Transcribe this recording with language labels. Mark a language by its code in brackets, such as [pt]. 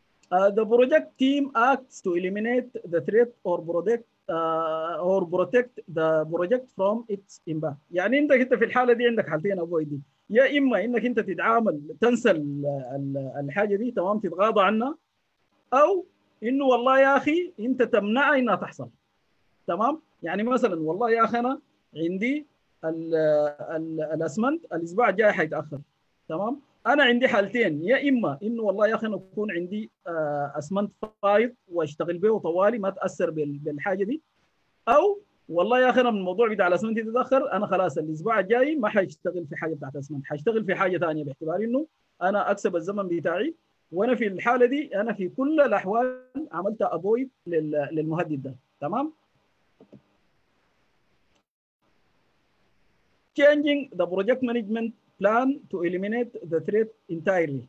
[en] The project team acts to eliminate the threat or protect or protect the project from its impact. [ar] يعني انت كنت في الحالة دي عندك حالتين avoid. يا إما إنك أنت تتعامل تنسى الحاجة دي تمام تتغاضى عنها، أو إنه والله يا أخي أنت تمنعها إنها تحصل. تمام؟ يعني مثلا والله يا أخي أنا عندي الأسمنت الأسبوع الجاي حيتأخر. تمام؟ أنا عندي حالتين، يا إما إنه والله يا أخي أنا أكون عندي أسمنت فايض وأشتغل به وطوالي ما تأثر بالحاجة دي، أو والله يا اخي انا من الموضوع بتاع الاسمنت يتاخر، انا خلاص الاسبوع الجاي ما حاشتغل في حاجه بتاعت اسمنت، حاشتغل في حاجه ثانيه باعتبار انه انا اكسب الزمن بتاعي. وانا في الحاله دي انا في كل الاحوال عملت افويد للمهدد ده. تمام. [en] changing the project management plan to eliminate the threat entirely.